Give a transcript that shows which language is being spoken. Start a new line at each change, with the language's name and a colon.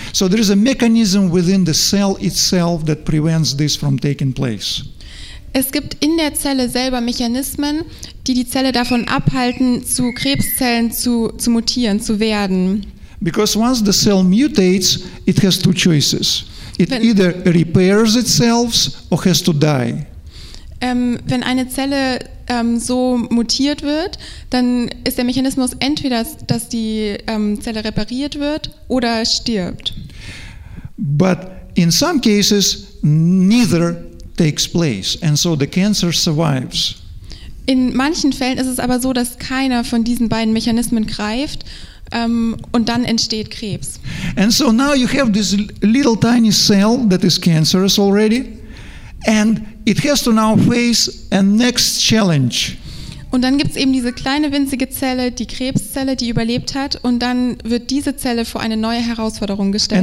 English: So there is a mechanism within the cell itself that prevents this from taking place.
German: Es gibt in der Zelle selber Mechanismen, die die Zelle davon abhalten, zu Krebszellen zu mutieren, zu werden.
English: Because once the cell mutates, it has two choices. It either repairs itself or has to die.
German: Wenn eine Zelle so mutiert wird, dann ist der Mechanismus entweder, dass die Zelle repariert wird oder stirbt.
English: But in some cases, neither takes place, and so the cancer survives.
German: In manchen Fällen ist es aber so, dass keiner von diesen beiden Mechanismen greift, und dann entsteht Krebs.
English: And so now you have this little tiny cell that is cancerous already, and it has to now face a next challenge.
German: Und dann gibt es eben diese kleine winzige Zelle, die Krebszelle, die überlebt hat, und dann wird diese Zelle vor eine neue Herausforderung gestellt.